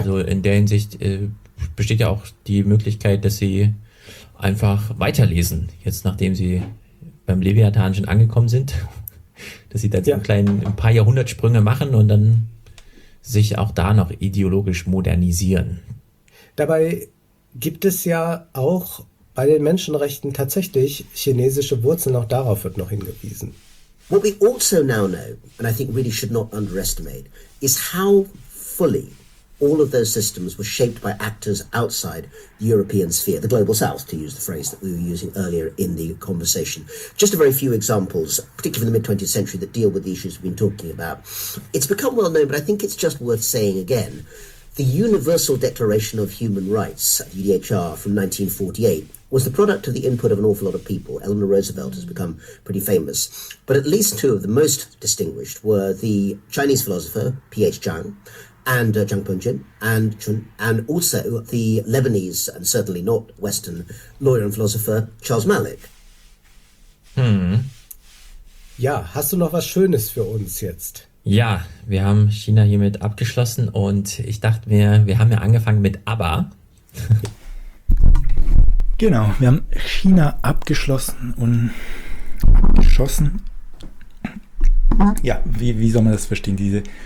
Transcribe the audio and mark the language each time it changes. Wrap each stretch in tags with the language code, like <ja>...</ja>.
<de>Also in der Hinsicht besteht ja auch die Möglichkeit, dass Sie einfach weiterlesen, jetzt nachdem Sie beim Leviathan schon angekommen sind, dass Sie da so einen Ja. kleinen, ein paar Jahrhundertsprünge machen und dann sich auch da noch ideologisch modernisieren. Dabei gibt es ja auch bei den Menschenrechten tatsächlich chinesische Wurzeln, auch darauf wird noch hingewiesen.</de> <en>What we also now know, and I think really should not underestimate, is how fully all of those systems were shaped by actors outside the European sphere, the global south, to use the phrase that we were using earlier in the conversation. Just a very few examples, particularly from the mid-20th century, that deal with the issues we've been talking about. It's become well known, but I think it's just worth saying again, the Universal Declaration of Human Rights, UDHR, from 1948, was the product of the input of an awful lot of people. Eleanor Roosevelt has become pretty famous. But at least two of the most distinguished were the Chinese philosopher, P.H. Chang, and Zhang Punjin, and also the Lebanese, and certainly not Western, lawyer and philosopher, Charles Malik.</en> <de>Ja, hast du noch was Schönes für uns jetzt? Ja, wir haben China hiermit abgeschlossen und ich dachte mir, wir haben ja angefangen mit Aber. Genau, wir haben China abgeschlossen und abgeschossen. Ja, wie soll man das verstehen? Diese</de>